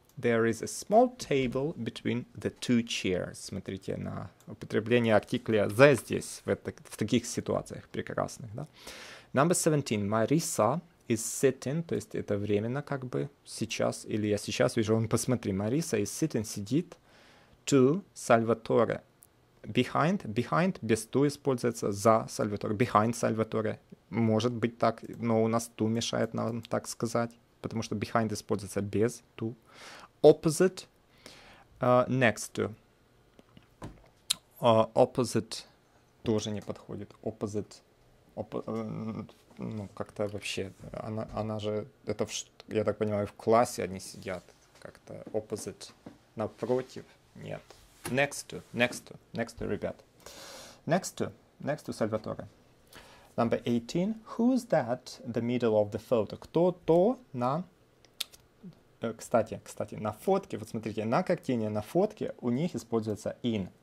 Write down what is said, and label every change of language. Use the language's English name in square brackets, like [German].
[English] There is a small table between the two chairs. [Russian] Смотрите на употребление артикля the здесь, в таких ситуациях прекрасных. Да? Number 17. [English] Marisa is sitting, [Russian] то есть это временно как бы сейчас, или я сейчас вижу, он посмотри. [English] Marisa is sitting, [Russian] сидит, to Salvatore. Behind, без to используется, за Salvatore, behind Salvatore. Может быть так, но у нас to мешает нам так сказать, потому что behind используется без to. Opposite, next to. Opposite тоже не подходит. Opposite, ну как-то вообще, она же, это в, я так понимаю, в классе они сидят. Как-то opposite, напротив, нет. Next to, ребят. Next to Salvatore. Number 18. [English] Who's that in the middle of the photo? [Russian] Кто то на... Кстати, на фотке. Вот смотрите, на картине, на фотке у них используется in.